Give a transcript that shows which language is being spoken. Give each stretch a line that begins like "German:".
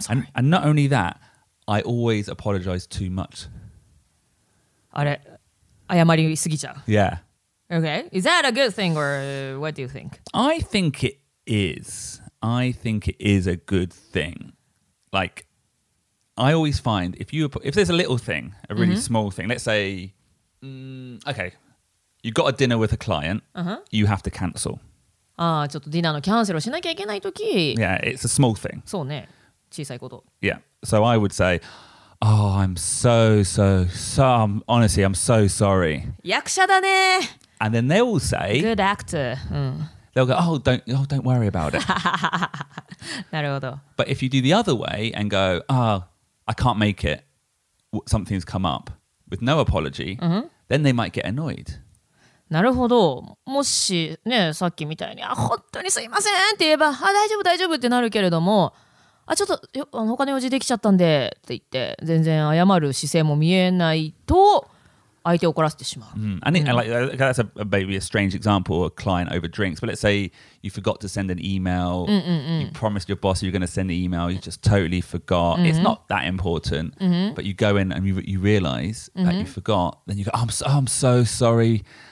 English: And not only that, I always apologize too much.
Japanese: あれ、謝りすぎちゃう。
English: Yeah. Okay. Is that a good thing or what do you think? I think it is. I think it is a good thing. Like,I always find if there's a little thing, a really small thing, let's say, okay, you got a dinner with a client, you have to cancel.
Japanese: Ah, ちょっとディナーのキャンセルをしなきゃいけないとき。
English: Yeah, it's a small thing.
Japanese: そうね、小さいこと。
English: Yeah, so I would say, oh, I'm so, so, so, honestly, I'm so sorry.
Japanese: 役者だね。
English: And then they will say, good actor. They'll go, oh, don't worry about it.
Japanese: なるほど。
English: But if you do the other way and go, oh,I can't make it. Something's come up with no apology. Then they might get annoyed.
Japanese: なるほど。もしね、さっきみたいに、あ、本当にすいませんって言えば、あ、大丈夫大丈夫ってなるけれども、あ、ちょっと、他の用事できちゃったんでって言って、全然謝る姿勢も見えないと、相手を怒らせてしまう。
English: I think, like, that's a maybe a strange example, a client over drinks. But let's say you forgot to send an email. You promised your boss you're going to send an email. You just totally forgot. It's not that important. But you go in and you realize that you forgot. Then you go, I'm so sorry.